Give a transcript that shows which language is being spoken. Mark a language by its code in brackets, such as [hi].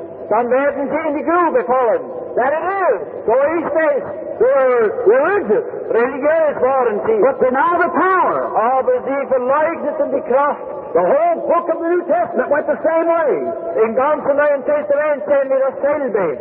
[de] Dann werden sie in die Grube fallen. [en] That it is. [de] So ist es. [en] They're religious. [de] Religiös waren sie. [en] But deny the power. [de] Aber sie verleugneten die Kraft. [en] The whole book of the New Testament went the same way. [de] In ganzen Neuen Testament sehen wir dasselbe.